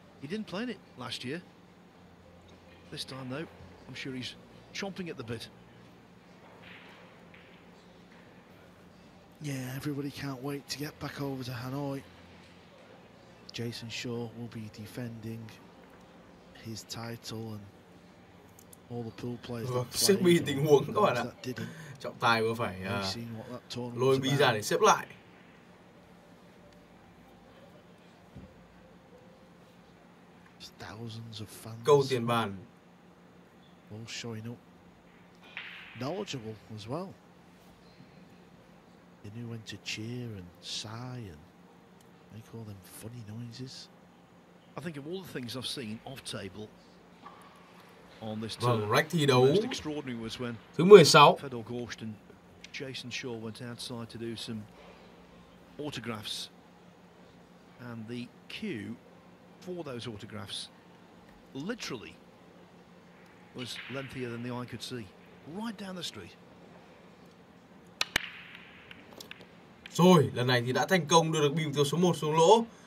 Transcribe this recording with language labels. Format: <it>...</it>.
<en>He didn't play in it last year. This time, though, I'm sure he's chomping at the bit. Yeah, everybody can't wait to get back over to Hanoi. Jason Shaw will be defending his title and all the pool players.</en> <vi>Xếp bi tình huống các bạn ạ. Trọng tài vừa phải lôi bi ra để xếp lại.</vi> <en>Thousands of fans.</en> <vi>Câu tiền bàn.</vi> <en>All showing up, knowledgeable as well. They knew when to cheer and sigh and make all them funny noises. I think of all the things I've seen off table on this tour. Well, right, the most extraordinary was when</en> <vi>thứ 16.</vi> <en>Fedor Gorsht and Jason Shaw went outside to do some autographs, and the queue for those autographs literally was lengthier than the eye could see, right down the street.</en> <vi>Rồi, lần này thì đã thành công đưa được bi mục tiêu số 1 xuống lỗ.</vi>